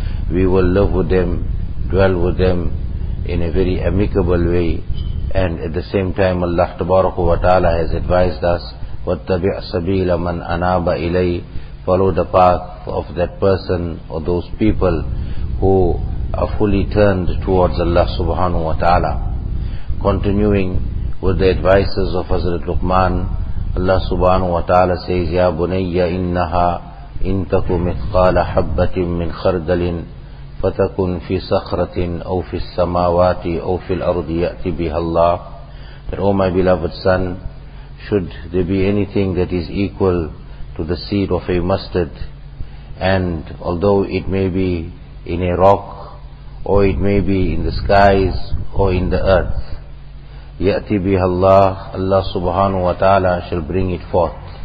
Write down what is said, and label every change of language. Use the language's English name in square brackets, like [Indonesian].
[English] We will live with them, dwell with them in a very amicable way. And at the same time, Allah tabaraka wa ta'ala has advised us, [Arabic] وَاتَّبِعْ سَبِيلَ مَنْ أَنَابَ إِلَيْهِ. [English] Follow the path of that person or those people who are fully turned towards Allah subhanahu wa ta'ala. Continuing with the advices of Hazrat Luqman, Allah subhanahu wa ta'ala says, [Arabic] يَا بُنَيَّ إِنَّهَا إِنْ تَكُ مِثْقَالَ حَبَّةٍ مِّنْ خَرْدَلٍ فَتَكُنْ فِي صَخْرَةٍ أَوْ فِي السَّمَاوَاتِ أَوْ فِي الْأَرْضِ يَأْتِ بِهَا اللَّهِ. [English] That, O my beloved son, should there be anything that is equal to the seed of a mustard, and although it may be in a rock, or it may be in the skies, or in the earth, [Arabic] يَأْتِ بِهَا اللَّهِ, [English] Allah subhanahu wa ta'ala shall bring it forth.